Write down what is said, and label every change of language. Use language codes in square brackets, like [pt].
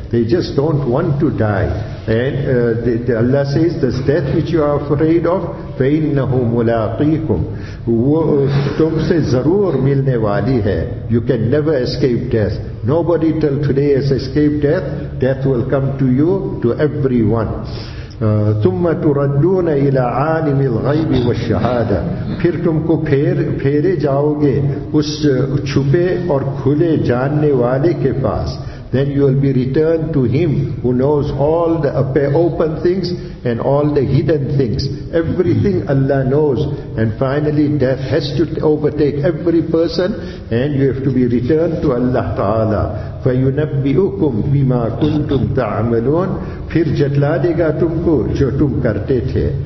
[en] They just don't want to die. And Allah says, this death which you are afraid of, [ar] فَإِنَّهُ مُلَاقِيكُمْ [ur] تُمْ سَ ضَرُور مِلْنَ وَالِي هَي [en] You can never escape death. Nobody till today has escaped death. Death will come to you, to everyone. [ar] ثُمَّ تُرَدُّونَ إِلَىٰ عَالِمِ الْغَيْبِ وَالشَّهَادَةِ [ur] پھر تم کو پھیرے جاؤ گے اس چھپے اور کھلے جاننے والے کے پاس. [en] Then you will be returned to him who knows all the open things and all the hidden things. Everything Allah knows. And finally death has to overtake every person and you have to be returned to Allah Ta'ala. [ar] فَيُنَبِّئُكُمْ بِمَا كُنْتُمْ تَعْمَلُونَ [ur] پھر جتلا دے گا تم کو جو تم کرتے تھے.